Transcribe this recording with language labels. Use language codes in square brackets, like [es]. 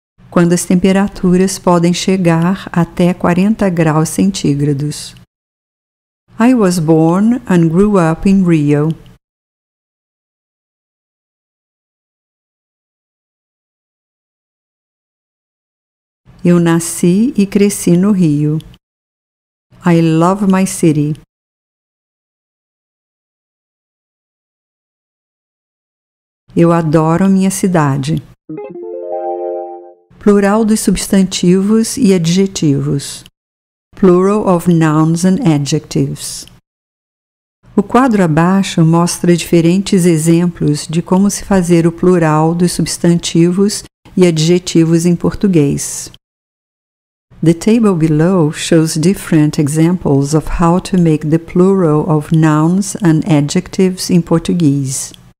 [pt] Quando as temperaturas podem chegar até 40 graus centígrados. [en] I was born and grew up in Rio. [pt] Eu nasci e cresci no Rio. [en] I love my city. [pt] Eu adoro minha cidade. Plural dos substantivos e adjetivos. [en] Plural of nouns and adjectives. [pt] O quadro abaixo mostra diferentes exemplos de como se fazer o plural dos substantivos e adjetivos em português. [en] The table below shows different examples of how to make the plural of nouns and adjectives in Portuguese.